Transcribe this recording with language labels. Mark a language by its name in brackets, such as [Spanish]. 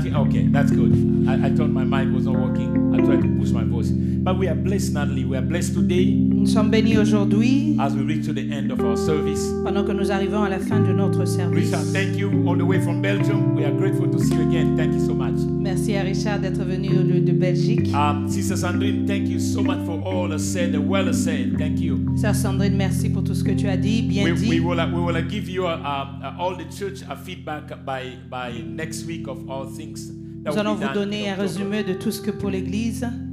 [English] Okay, that's good. I thought my mic was not working. I thought try to boost my voice. But we are blessed, Natalie. We are blessed today. [French] Nous sommes bénis aujourd'hui. [English] As we reach to the end of our service. [French] Pendant que nous arrivons à la fin de notre service. [English] Richard, thank you all the way from Belgium. We are grateful to see you again. Thank you so much. [French] Merci à Richard d'être venu de Belgique. [English] Sister Sandrine, thank you so much for all said, well said. Thank you. [French] Sœur Sandrine, merci pour tout ce que tu as dit, bien [English] we, [French] dit. [English] We will give you all the church a feedback by next week of all things. [French] Nous allons vous donner un résumé de tout ce que pour l'Église.